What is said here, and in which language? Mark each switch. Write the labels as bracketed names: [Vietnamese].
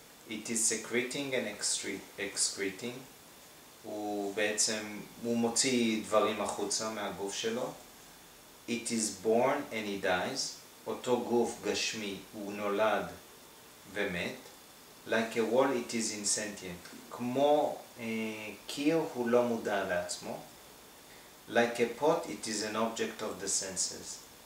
[English] It is secreting and excreting. [Hebrew] הוא בעצם, הוא מוציא דברים החוצה מהגוף שלו. [English] It is born and he dies. [Hebrew] אותו גוף גשמי, הוא נולד ומת. [English] Like a wall, it is insentient. [Hebrew] כמו קיר, הוא לא מודע לעצמו. [English] Like a pot, it is an object of the senses.